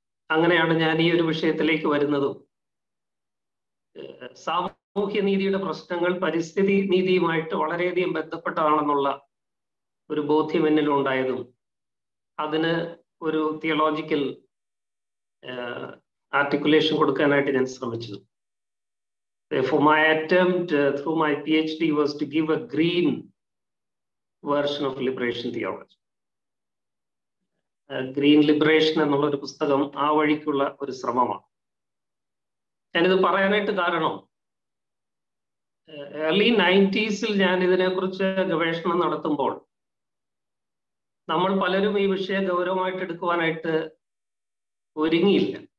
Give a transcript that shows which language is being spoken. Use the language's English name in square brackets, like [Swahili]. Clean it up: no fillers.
[Malayalam] അങ്ങനെയാണ് ഞാൻ ഈ ഒരു വിഷയത്തിലേക്ക് വരുന്നതും. സാമൂഹ്യ നീതിയുടെ പ്രശ്നങ്ങൾ പരിസ്ഥിതി നീതിയുമായിട്ട് വളരെയധികം ബന്ധപ്പെട്ടതാണെന്നുള്ള ഒരു ബോധ്യം എന്നിലുണ്ടായതും അതിന് ഒരു തിയോളജിക്കൽ ആർട്ടിക്കുലേഷൻ കൊടുക്കാനായിട്ട് ഞാൻ ശ്രമിച്ചത്. [English] Therefore, my attempt through my PhD was to give a green version of liberation theology. [Malayalam] Green liberation എന്നുള്ള ഒരു പുസ്തകം ആ വഴിക്കുള്ള ഒരു ശ്രമമാണ്. ഞാനിത് പറയാനായിട്ട് കാരണം, early 90s ൽ ഞാൻ ഇതിനെക്കുറിച്ച് ഗവേഷണം നടത്തുമ്പോൾ നമ്മൾ പലരും ഈ വിഷയം ഗൗരവമായിട്ട് എടുക്കുവാനായിട്ട് ഒരുങ്ങിയില്ല.